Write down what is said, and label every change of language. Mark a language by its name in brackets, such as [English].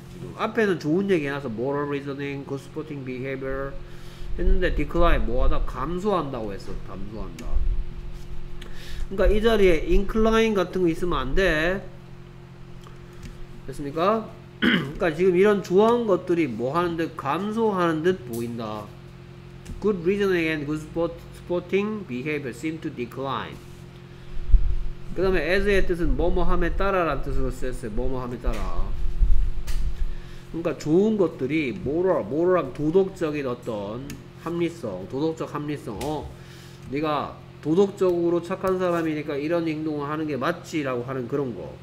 [Korean] 지금 앞에는 좋은 얘기 해놔서 [English] moral reasoning, good sporting behavior [Korean] 했는데 decline 뭐하다 감소한다고 했어. 감소한다. 그러니까 이 자리에 incline 같은 거 있으면 안 돼. 됐습니까? 그러니까 지금 이런 좋은 것들이 뭐 하는 듯 감소하는 듯 보인다. [English] Good reasoning and good sporting behavior seem to decline. [Korean] 그 다음에 as의 뜻은 뭐뭐함에 따라라는 뜻으로 쓰였어요. 뭐뭐함에 따라. 그러니까 좋은 것들이 moral 도덕적인 어떤 합리성, 도덕적 합리성. 네가 도덕적으로 착한 사람이니까 이런 행동을 하는 게 맞지라고 하는 그런 거.